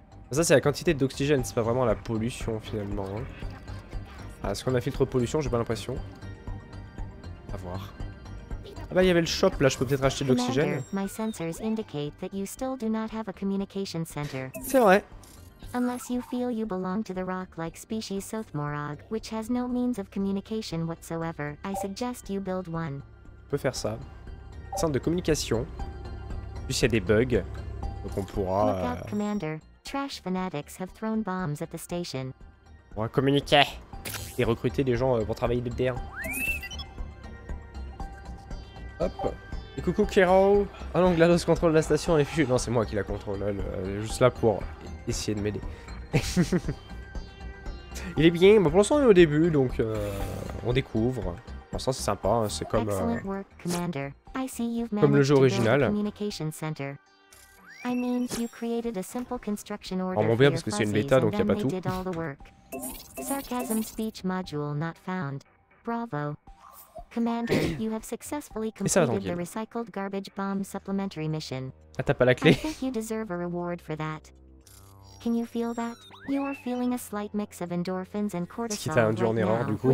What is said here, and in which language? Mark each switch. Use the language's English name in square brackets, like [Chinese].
[French] Ça c'est la quantité d'oxygène, c'est pas vraiment la pollution finalement. Ah, est-ce qu'on a filtre pollution? J'ai pas l'impression. A voir. Ah bah il y avait le shop là, je peux peut-être acheter de l'oxygène. [English] My sensors indicate that you still do not have a communication center. [French] C'est vrai. [English] Unless you feel you belong to the rock-like species Sothmorog, which has no means of communication whatsoever, I suggest you build one. [French] On peut faire ça. Centre de communication. Puis il y a des bugs, donc on pourra. [English] Look out, Commander. Trash fanatics have thrown bombs at the station. [French] On pourra communiquer et recruter des gens pour travailler de DR. Hop. Et coucou Kero. Ah non, GLaDOS contrôle la station et puis... Non, c'est moi qui la contrôle. Elle est juste là pour essayer de m'aider. Il est bien. Bon, pour l'instant, on est au début, donc on découvre. Pour l'instant, c'est sympa. Hein. C'est comme... comme le jeu original. On m'en vient parce que c'est une bêta, donc il n'y a pas tout. [English] Sarcasm speech module not found. Bravo. Commander, you have successfully completed the recycled garbage bomb supplementary mission. [French] Ah, t'as pas la clé. [English] I think you deserve a reward for that. Can you feel that? You are feeling a slight mix of endorphins and cortisol. [French] Qui t'a induit en erreur du coup.